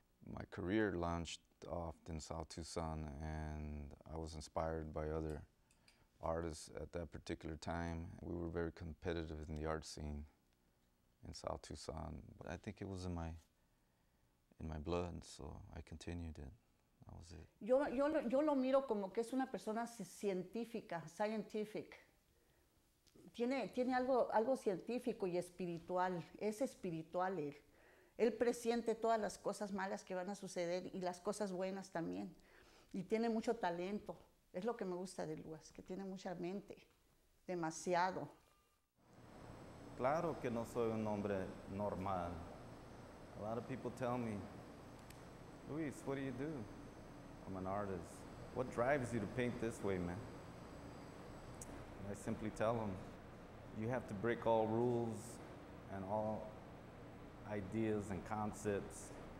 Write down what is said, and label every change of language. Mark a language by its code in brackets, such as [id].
[en] My career launched off in South Tucson, and I was inspired by other artists at that particular time. We were very competitive in the art scene in South Tucson, but I think it was in my blood, so I continued it. That was it. [es] Yo lo miro como que es una persona científica, [en] scientific. [es] Tiene algo científico y espiritual. Es espiritual él. Él presiente todas las cosas malas que van a suceder y las cosas buenas también. Y tiene mucho talento. Es lo que me gusta de Luis, que tiene mucha mente, demasiado. Claro que no soy un hombre normal. [en] A lot of people tell me, Luis, what do you do? I'm an artist. What drives you to paint this way, man? And I simply tell them, you have to break all rules and all ideas and concepts.